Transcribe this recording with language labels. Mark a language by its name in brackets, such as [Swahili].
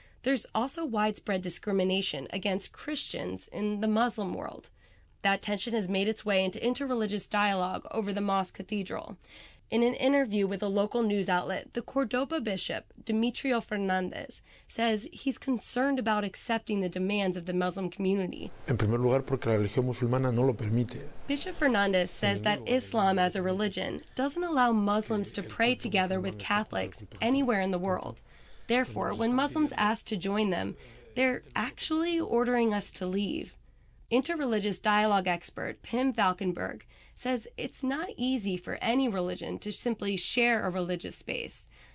[English] There's also widespread discrimination against Christians in the Muslim world. That tension has made its way into interreligious dialogue over the mosque cathedral. In an interview with a local news outlet, the Cordoba bishop, Demetrio Fernandez, says he's concerned about accepting the demands of the Muslim community. [Spanish] En primer lugar, porque la religión musulmana no lo permite. [English] Bishop Fernandez says that Islam as a religion doesn't allow Muslims to pray together with Catholics anywhere in the world. Therefore, when Muslims ask to join them, they're actually ordering us to leave. Interreligious dialogue expert Pim Falkenberg says it's not easy for any religion to simply share a religious space.